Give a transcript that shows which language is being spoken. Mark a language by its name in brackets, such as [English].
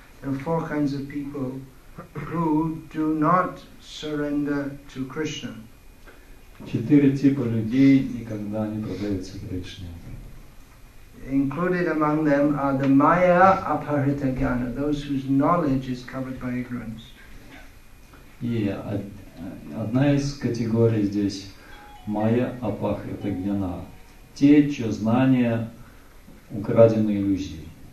[English] There are four kinds of people who do not surrender to Krishna. [Russian] Четыре типа людей никогда не предаются Кришне. [English] Included among them are the Maya Aparita Jnana, those whose knowledge is covered by ignorance. [Russian] И одна из категорий здесь [English] Maya Aparita Jnana, [Russian] те, чьё знание украдено иллюзией.